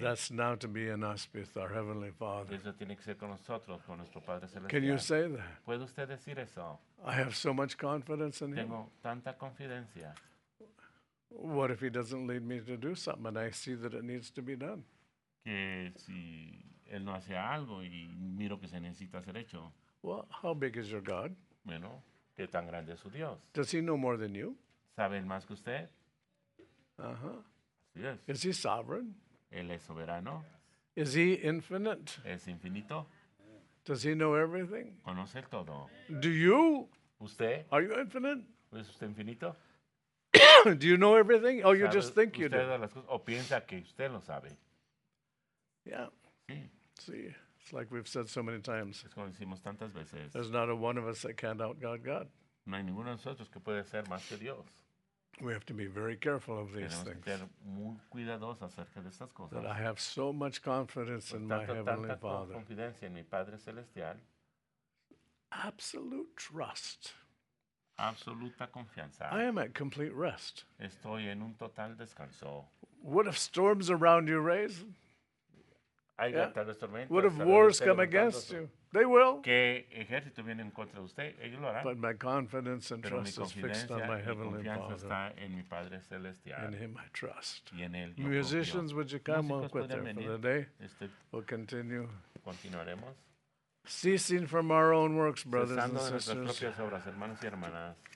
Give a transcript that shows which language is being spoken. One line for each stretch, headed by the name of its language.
English: That's now to be in us with our Heavenly Father.
Spanish: Eso tiene que ser con nosotros, con nuestro Padre Celestial.
English: Can you say that?
Spanish: ¿Puede usted decir eso?
English: I have so much confidence in
Spanish: Tengo
English: him.
Spanish: Tengo tanta confidencia.
English: What if he doesn't lead me to do something and I see that it needs to be done?
Spanish: Que si él no hace algo y miro que se necesita ser hecho.
English: Well, how big is your God?
Spanish: Bueno, ¿qué tan grande es su Dios?
English: Does he know more than you?
Spanish: ¿Sabe más que usted? Uh-huh.
English: Yes. Is he sovereign?
Spanish: ¿Él es soberano?
English: Yes. Is he infinite?
Spanish: ¿Es infinito?
English: Does he know everything?
Spanish: ¿Conoce todo?
English: Do you?
Spanish: ¿Usted?
English: Are you infinite?
Spanish: ¿Es usted infinito?
English: Do you know everything? Or you just think you do?
Spanish: Las cosas, ¿o piensa que usted lo sabe?
English: Yeah.
Spanish: Sí. Sí.
English: It's like we've said so many times.
Spanish: Es como decimos tantas veces.
English: There's not a one of us that can't outgod God.
Spanish: No hay ninguno de nosotros que puede ser más que Dios.
English: We have to be very careful of these
Spanish: Tenemos
English: things.
Spanish: Que ser muy cuidadosos acerca de estas cosas.
English: That I have so much confidence
Spanish: pues
English: in my Heavenly
Spanish: tanta
English: Father.
Spanish: Confidencia en mi Padre Celestial.
English: Absolute trust.
Spanish: Absoluta confianza.
English: I am at complete rest.
Spanish: Estoy en un total descanso.
English: What if storms around you raise?
Spanish: haya tales tormentas.
English: What if wars come against you? They will.
Spanish: Que ejército viene en contra de usted, ellos lo harán.
English: But my confidence and trust is fixed on my heavenly Father.
Spanish: Mi confianza está en mi Padre Celestial.
English: In him I trust.
Spanish: Y en él.
English: Musicians, would you come up with there for the day? We'll continue.
Spanish: Continuaremos.
English: Ceasing from our own works, brothers and sisters.
Spanish: Obras, hermanos y hermanas.